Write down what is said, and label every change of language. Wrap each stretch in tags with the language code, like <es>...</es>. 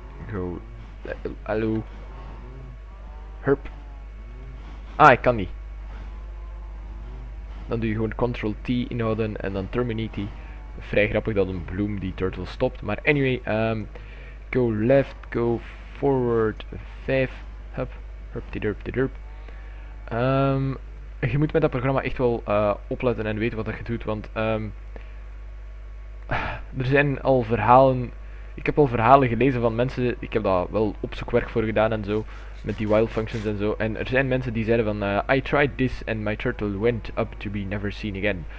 <nl>Go. Hallo. Herp. Ah, ik kan niet. Dan doe je gewoon Ctrl T inhouden en dan Terminate. Vrij grappig dat een bloem die turtle stopt.</nl> <en>Maar anyway, go left, go forward, 5.</en> <nl>Hup. Herp, die derp, die derp. Je moet met dat programma echt wel opletten en weten wat dat je doet. Want er zijn al verhalen. Ik heb al verhalen gelezen van mensen, ik heb daar wel opzoekwerk voor gedaan en zo, met die wild functions en zo. En er zijn mensen die zeiden van,</nl> <en>I tried this and my turtle went up to be never seen again.</en>